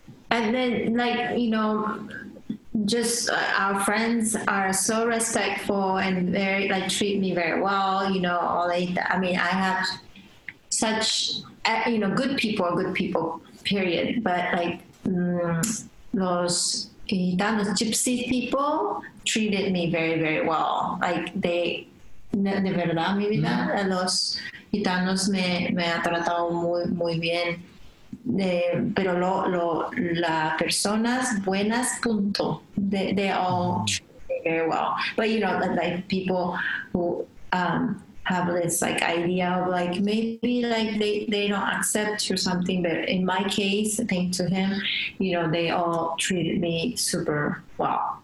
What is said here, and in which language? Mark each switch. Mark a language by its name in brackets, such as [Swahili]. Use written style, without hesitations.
[English] And then, like, you know, just our friends are so respectful and very, like, treat me very well, you know, all I mean, I have such, you know, good people, period. But, like, those gitanos, gypsy people treated me very, very well. Like, they... [Spanish] De verdad, mi vida, los gitanos me ha tratado muy, muy bien. Pero las personas buenas, punto. [English] They all treat me very well. But, you know, like people who have this, like, idea of, like, maybe, like, they don't accept or something. But in my case, thanks to him, you know, they all treated me super well.